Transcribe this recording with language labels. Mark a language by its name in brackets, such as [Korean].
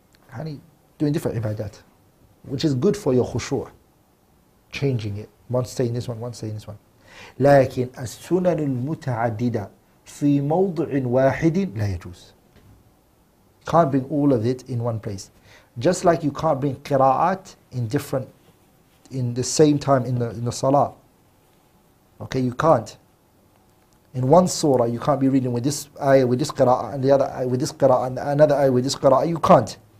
[English] Honey, doing different ibadat, which is good for your khushu', changing it. One saying this one. [Arabic] لكن السنن المتعددة في موضع واحد لا يجوز. [English] Can't bring all of it in one place. Just like you can't bring qira'at in the same time in the salah. Okay, you can't. In one surah, you can't be reading with this ayah, with this qira'ah, and the other ayah, with this qira'ah, and another ayah, with this qira'ah. You can't.